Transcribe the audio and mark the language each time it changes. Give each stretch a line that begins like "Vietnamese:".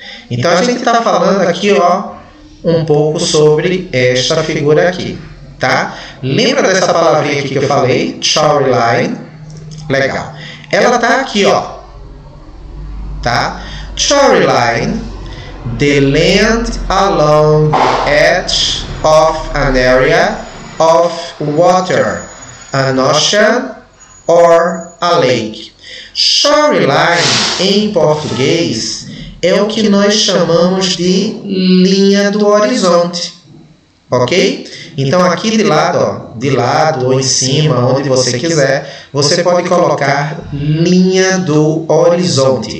Portuguese: Então a gente está falando aqui, ó, um pouco sobre esta figura aqui, tá? Lembra dessa palavrinha aqui que eu falei, shoreline? Legal. Ela tá aqui, ó, tá?
English: Shoreline, the land along the edge of an area of water, an ocean or a lake.
Portuguese: Shoreline em português é o que nós chamamos de linha do horizonte. Ok? Então aqui de lado, ó, de lado ou em cima, onde você quiser, você pode colocar linha do horizonte.